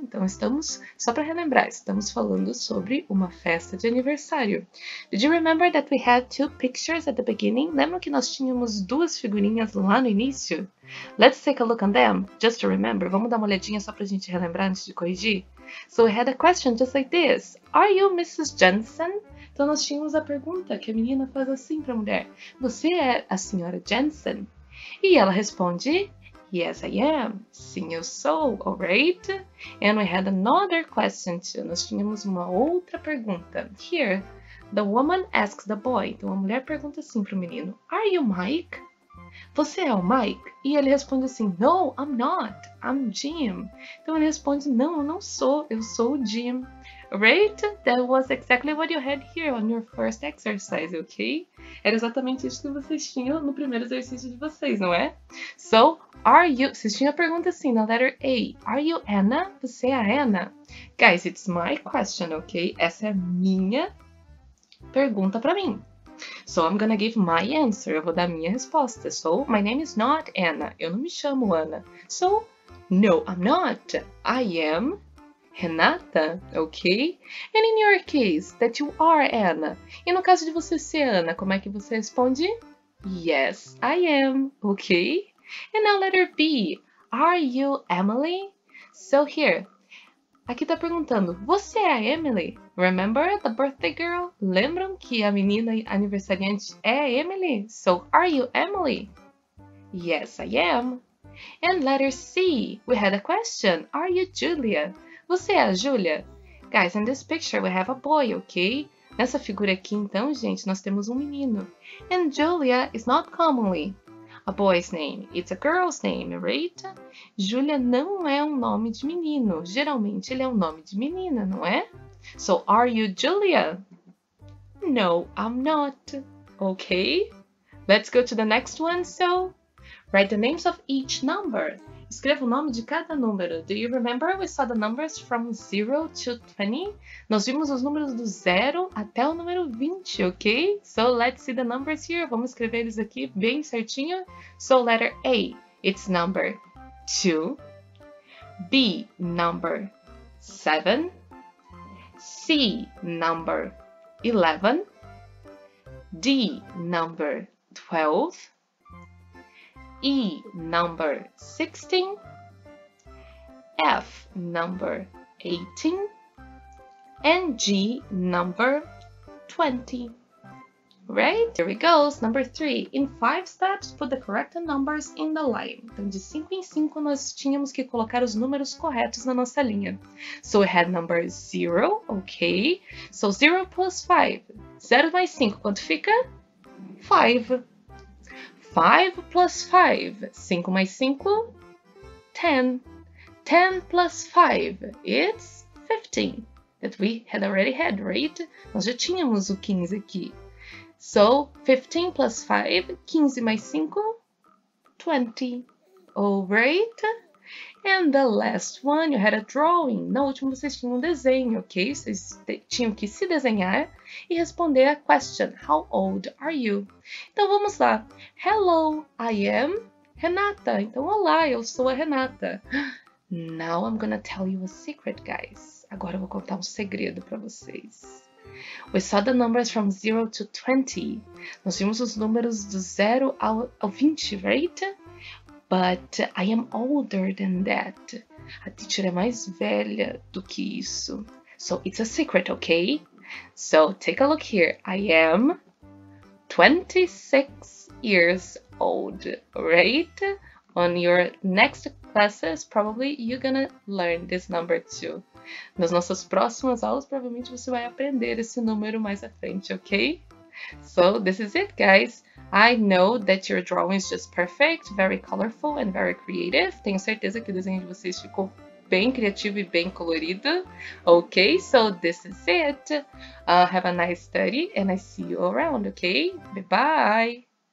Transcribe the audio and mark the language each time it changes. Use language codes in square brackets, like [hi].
[pt] Então, estamos, só para relembrar, estamos falando sobre uma festa de aniversário. [en] Did you remember that we had two pictures at the beginning? [pt] Lembra que nós tínhamos duas figurinhas lá no início? [en] Let's take a look at them, just to remember. [pt] Vamos dar uma olhadinha só para a gente relembrar antes de corrigir? [en] So, I had a question just like this. Are you Mrs. Jensen? [pt] Então, nós tínhamos a pergunta que a menina faz assim para a mulher: Você é a senhora Jensen? E ela responde: [en] Yes, I am. [pt] Sim, eu sou, alright? [en] And we had another question too. [pt] Nós tínhamos uma outra pergunta. [en] Here, the woman asks the boy. [pt] Então, a mulher pergunta assim para o menino: [en] Are you Mike? [pt] Você é o Mike? E ele responde assim: [en] No, I'm not. I'm Jim. [pt] Então, ele responde: Não, eu não sou. Eu sou o Jim. Right? [en] That was exactly what you had here on your first exercise, okay? [pt] Era exatamente isso que vocês tinham no primeiro exercício de vocês, não é? [en] So, are you? [pt] Vocês tinham a pergunta assim, na letter A. [en] Are you Anna? [pt] Você é a Anna? [en] Guys, it's my question, okay? [pt] Essa é a minha pergunta para mim. [en] So, I'm gonna give my answer. [pt] Eu vou dar a minha resposta. [en] So, my name is not Anna. [pt] Eu não me chamo Anna. [en] So, no, I'm not. I am Renata, ok? And in your case, that you are Anna. [pt] E no caso de você ser Anna, como é que você responde? [en] Yes, I am, ok? And now letter B. Are you Emily? So here. [pt] Aqui está perguntando: Você é a Emily? [en] Remember the birthday girl? [pt] Lembram que a menina aniversariante é a Emily? [en] So are you Emily? Yes, I am. And letter C. We had a question. Are you Julia? [pt] Você é a Júlia? [en] Guys, in this picture we have a boy, ok? [pt] Nessa figura aqui, então, gente, nós temos um menino. [en] And Julia is not commonly a boy's name. It's a girl's name, right? [pt] Julia não é um nome de menino. Geralmente ele é um nome de menina, não é? [en] So, are you Julia? No, I'm not. Ok? Let's go to the next one. So, write the names of each number. [pt] Escreva o nome de cada número. [en] Do you remember we saw the numbers from 0 to 20? [pt] Nós vimos os números do 0 até o número 20, ok? [en] So let's see the numbers here. [pt] Vamos escrever eles aqui bem certinho. [en] So letter A, it's number 2. B, number 7. C, number 11. D, number 12. E, number 16. F, number 18. And G, number 20. Right? Here we go. Number 3. In 5 steps, put the correct numbers in the line. [pt] Então, de 5 em 5, nós tínhamos que colocar os números corretos na nossa linha. [en] So, we had number 0, ok? So, 0 plus 5. [pt] 0 mais 5, quanto fica? 5. [en] 5 plus 5. [pt] 5 mais 5? 10. [en] 10 plus 5. It's 15. That we had already had, right? [pt] Nós já tínhamos o 15 aqui. [en] So, 15 plus 5. [pt] 15 mais 5? 20. Alright? [en] And the last one, you had a drawing. [pt] Na última, vocês tinham um desenho, ok? Vocês tinham que se desenhar e responder a question: [en] How old are you? [pt] Então vamos lá. [en] Hello, I am Renata. [pt] Então, olá, eu sou a Renata. [en] Now I'm gonna tell you a secret, guys. [pt] Agora eu vou contar um segredo para vocês. [en] We saw the numbers from 0 to 20. [pt] Nós vimos os números do 0 ao 20, [en] right? But I am older than that. [pt] A teacher é mais velha do que isso. [en] So it's a secret, okay? So take a look here. I am 26 years old, right? On your next classes, probably you're gonna learn this number too. [pt] Nas nossas próximas aulas, provavelmente você vai aprender esse número mais à frente, ok? [en] So this is it, guys. I know that your drawing is just perfect, very colorful and very creative. [pt] Tenho certeza que o desenho de vocês ficou bem criativo e bem colorido. [en] Ok, so this is it. Have a nice study and I see you around, ok? Bye bye!